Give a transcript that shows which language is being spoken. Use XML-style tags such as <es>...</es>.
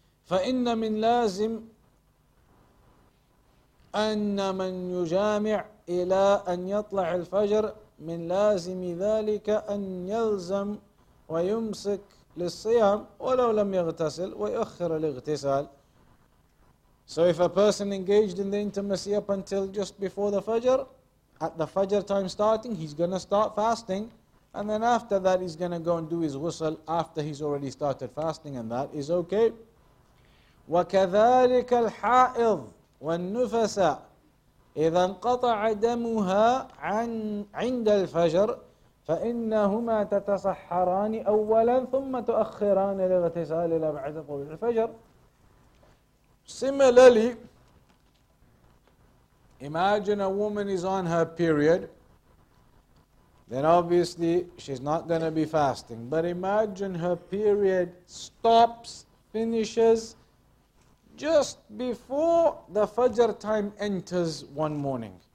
<ar>فَإِنَّ مِنْ لَازِمْ أَنَّ مَنْ يُجَامِعْ إِلَىٰ أَنْ يَطْلَعِ الْفَجْرِ مِنْ لَازِمِ ذَلِكَ أَنْ يَلْزَمْ وَيُمْسِكْ لِلصِّيَامِ وَلَوْ لَمْ يَغْتَسِلْ وَيُؤَخِّرَ الْإِغْتِسَالِ.</ar> <en>So if a person engaged in the intimacy up until just before the Fajr, at the Fajr time starting, he's going to start fasting, and then after that he's going to go and do his ghusl after he's already started fasting, and that is okay.</en> <ar>وَكَذَلِكَ الْحَائِضِ والنفس إذا انقطع دمها عن عند الفجر فإنهما تتصحران أولا ثم تؤخران للاغتسال إلى بعد طلوع الفجر.</ar> <en>Similarly, imagine a woman is on her period, then obviously she's not going to be fasting. But imagine her period stops, finishes just before the Fajr time enters one morning.</en>